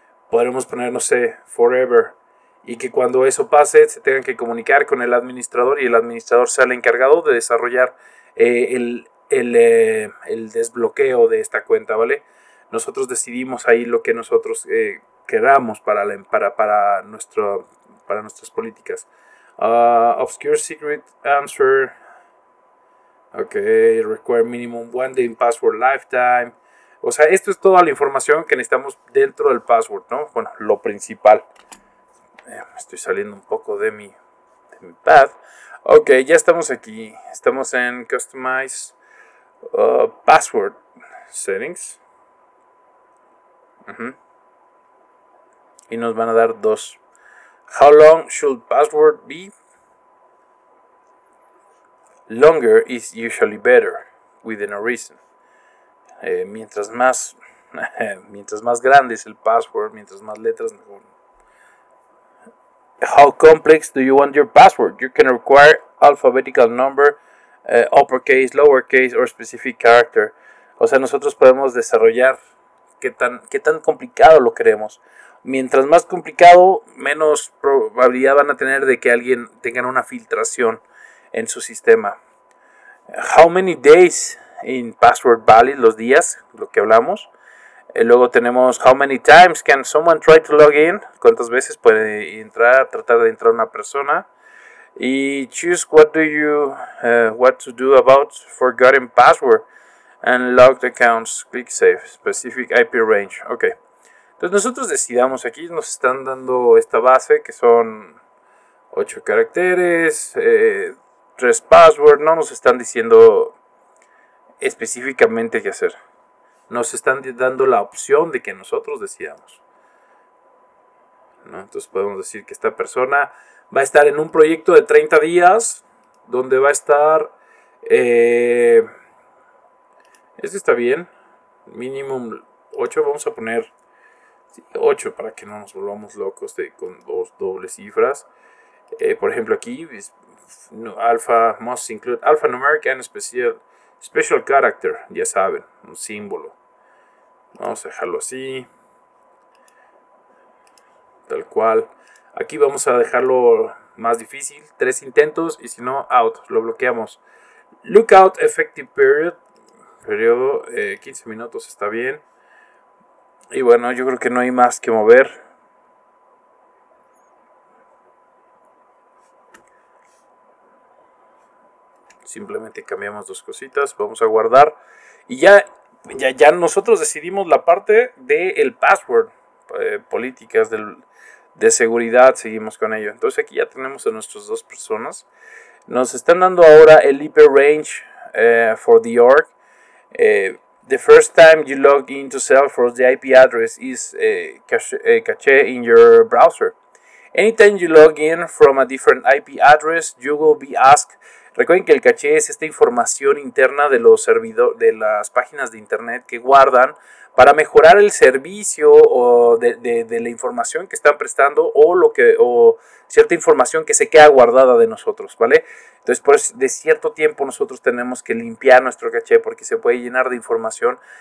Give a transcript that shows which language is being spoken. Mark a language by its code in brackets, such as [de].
[es] Podremos poner, no sé, forever. Y que cuando eso pase se tengan que comunicar con el administrador y el administrador sea el encargado de desarrollar el desbloqueo de esta cuenta, ¿vale? Nosotros decidimos ahí lo que nosotros queramos para nuestras políticas. [en] Obscure secret answer. Ok, require minimum one day in password lifetime. [es] O sea, esto es toda la información que necesitamos dentro del password, ¿no? Bueno, lo principal. Estoy saliendo un poco de mi pad. Ok, ya estamos aquí. Estamos en Customize. [en] Password settings. Uh-huh. [es] Y nos van a dar 2. [en] How long should password be? Longer is usually better, within a reason. [es] Mientras más grande es el password, mientras más letras mejor. [en] How complex do you want your password? You can require alphabetical number, uppercase, lowercase, or specific character. [es] O sea, nosotros podemos desarrollar qué tan complicado lo queremos. Mientras más complicado, menos probabilidad van a tener de que alguien tenga una filtración en su sistema. [en] How many days in password valid, [es] los días, lo que hablamos. Luego tenemos [en] how many times can someone try to log in. [es] ¿Cuántas veces puede tratar de entrar una persona? Y [en] choose what to do about forgotten password and locked accounts. Click save. Specific IP range. Ok. [es] Entonces nosotros decidamos aquí. Nos están dando esta base que son 8 caracteres, 3 password. No nos están diciendo específicamente qué hacer. Nos están dando la opción de que nosotros decidamos, ¿no? Entonces podemos decir que esta persona va a estar en un proyecto de 30 días donde va a estar, este está bien, mínimo 8, vamos a poner 8 para que no nos volvamos locos con 2 dobles cifras. Por ejemplo aquí, [en] alpha must include alphanumeric and special character, [es] ya saben, un símbolo. Vamos a dejarlo así, tal cual. Aquí vamos a dejarlo más difícil. 3 intentos y si no, [en] out. [es] Lo bloqueamos. Lookout effective period. Periodo 15 minutos está bien. Y bueno, yo creo que no hay más que mover. simplemente cambiamos dos cositas, vamos a guardar y ya nosotros decidimos la parte del password, políticas de seguridad, seguimos con ello. Entonces aquí ya tenemos a nuestras dos personas. Nos están dando ahora el [en] IP range for the org. The first time you log into Salesforce, the IP address is cache in your browser. Anytime you log in from a different IP address, you will be asked. [es] Recuerden que el caché es esta información interna de los servidores, de las páginas de internet que guardan para mejorar el servicio o de la información que están prestando o cierta información que se queda guardada de nosotros, ¿vale? Entonces, pues de cierto tiempo nosotros tenemos que limpiar nuestro caché porque se puede llenar de información.